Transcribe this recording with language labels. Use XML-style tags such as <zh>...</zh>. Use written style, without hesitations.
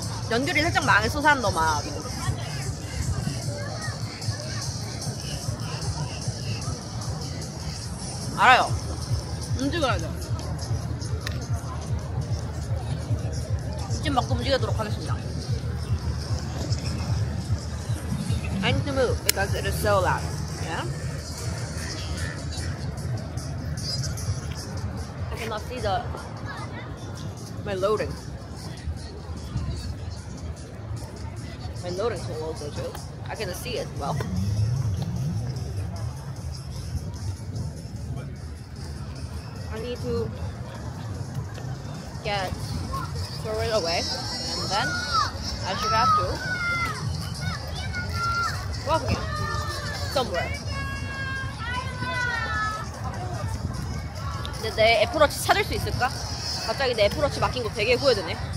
<ko>연결이 살짝 망했어, 사람 너무 많아. 알아요. 움직여야 돼. 지금 막 움직이도록 하겠습니다.</ko> <en>I need to move because it is so loud. Yeah? I cannot see my loading. My loading tool also too. I can see it well. I need to get throw it away and then I should have to walk again somewhere.</en> <ko>근데 내 애플워치 찾을 수 있을까? 갑자기 내 애플워치 막힌 거 되게 후회되네.</ko>